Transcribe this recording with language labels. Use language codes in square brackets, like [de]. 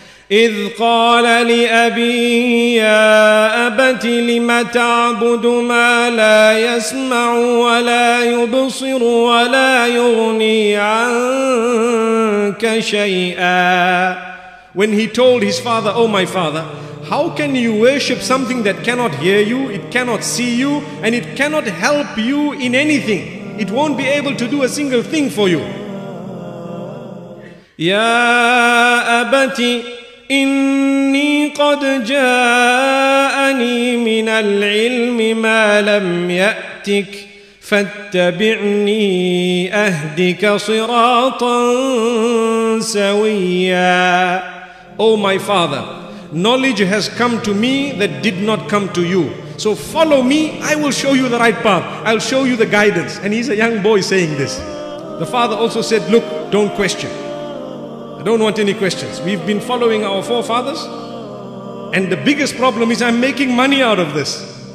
[ar] إِذْ قَالَ لِأَبِيهِ يَا أَبَتِ لِمَ تَعْبُدُ مَا لَا يَسْمَعُ وَلَا يُبْصِرُ وَلَا يُغْنِي عَنْكَ شَيْئًا. [en] When he told his father, oh my father, how can you worship something that cannot hear you, it cannot see you, and it cannot help you in anything? It won't be able to do a single thing for you. [ar] يَا أَبَتِ إني قد جاءني من العلم ما لم يأتك فاتبعني أهدك صراطا سويا. [en] Oh my father, knowledge has come to me that did not come to you. So follow me, I will show you the right path. I'll show you the guidance. And he's a young boy saying this. The father also said, look, don't question. Don't want any questions. We've been following our forefathers, and the biggest problem is I'm making money out of this.